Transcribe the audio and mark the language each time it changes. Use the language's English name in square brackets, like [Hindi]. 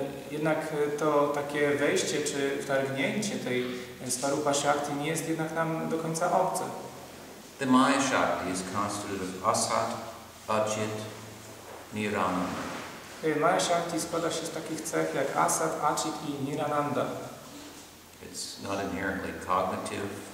[Polish] Jednak to takie wejście czy wtargnięcie tej swarupa shakti nie jest jednak nam do końca obce. [English] The Maya shakti is constituted of asat, acit, nirananda. [Polish] Maya shakti składa się z takich cech jak asat, acit i nirananda. [English] It's not inherently cognitive.